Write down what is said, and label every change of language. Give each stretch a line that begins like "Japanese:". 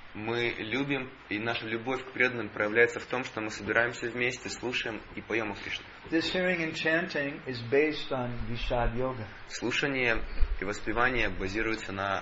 Russian: Мы любим, и наша любовь к преданным проявляется в том, что мы собираемся вместе, слушаем и поем о Кришне.
English: This hearing and chanting is based on Vishad Yoga.
Russian: Слушание и воспевание базируется на